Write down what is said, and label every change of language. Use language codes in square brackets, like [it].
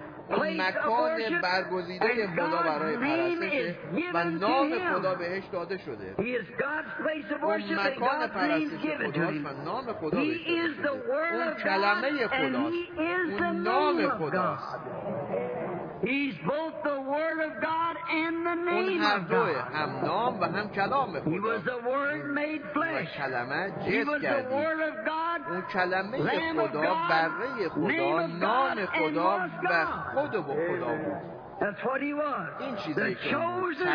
[fa] اون مکان برگزیده خدا برای پرستشه و نام خدا بهش داده شده. اون مکان پرستش خداست و نام خدا بهش داده شده. اون کلمه خداست، اون نام خداست. [en] He's both the word of God and the name of God. [fa] اون هر دوه، هم نام و هم کلام خدا. [en] He was the word made flesh. [fa] اون کلمه جسد گردید. [en] He was the word of God. [fa] اون کلمه خدا، بره خدا، نام خدا و خود با خدا بود. [en] That's what he was. [fa] این چیزی که بود.